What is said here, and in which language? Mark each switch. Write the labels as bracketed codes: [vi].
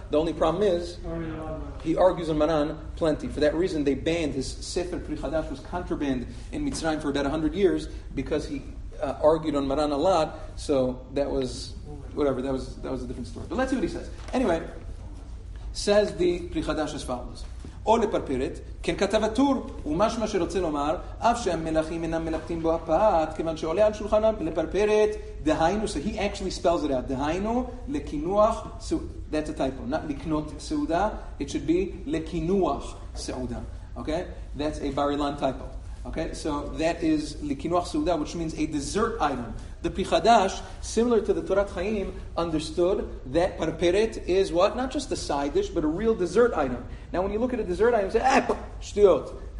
[en] The only problem is he argues on Maran plenty. For that reason, they banned his sefer Pri Chadash, was contraband in Mitzrayim for about 100 years because he argued on Maran a lot. So that was whatever. That was a different story. But let's see what he says. Anyway, says the Pri Chadash as follows. [he] או לפרפרת, כן כתב הטור, ומשמע שרוצה לומר, אף שהמלאכים אינם מלאכתים בו הפעת, כיוון שעולה על שולחן לפרפרת, דהיינו, [en] so he actually spells it out, [he] דהיינו, לקינוח, [en] so that's a typo, not [he] לקנות סעודה, [en] it should be [he] לקינוח סעודה, okay? [en] That's a Bar Ilan typo, okay? So that is לקינוח סעודה, which means a dessert item. The Pri Chadash, similar to the Torat Chaim, understood that parperet is what? Not just a side dish, but a real dessert item. Now when you look at a dessert item, you say, shtiot.